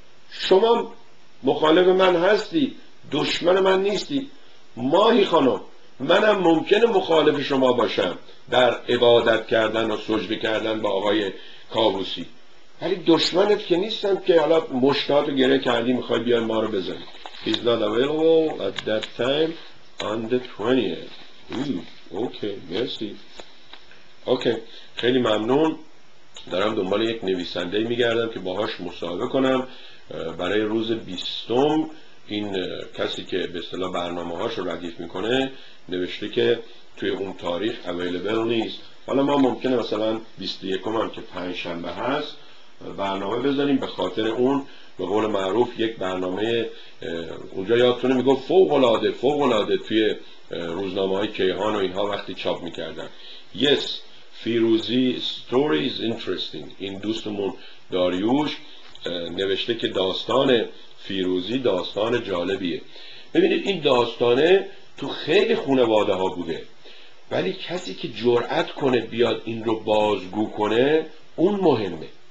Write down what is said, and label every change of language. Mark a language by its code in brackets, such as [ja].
[fa] شما مخالف من هستی، دشمن من نیستی. ماهی خانم، منم ممکنه مخالف شما باشم در عبادت کردن و سجده کردن با آقای کاووسی، ولی دشمنت که نیستم که حالا مشتات رو گره کردی میخوای بیان ما رو بزنی. [en] He's not available at that time on the 20th. Okay, merci. [fa] Okay, خیلی ممنون. دارم دنبال یک نویسنده میگردم که باهاش مصاحبه کنم برای روز 20. این کسی که به اصطلاح برنامه هاش رو ردیف میکنه نوشته که توی اون تاریخ available نیست. حالا ما ممکنه مثلا 21 هم که پنج شنبه هست برنامه بذاریم، به خاطر اون به قول معروف یک برنامه اونجا یادتونه میگفت فوق العاده توی روزنامه های کیهان و اینها وقتی چاپ میکردن. [en] Yes, فیروزی story is interesting. [fa] این دوستمون داریوش نوشته که داستان فیروزی داستان جالبیه. ببینید این داستانه تو خیلی خانواده ها بوده، ولی کسی که جرأت کنه بیاد این رو بازگو کنه اون مهمه.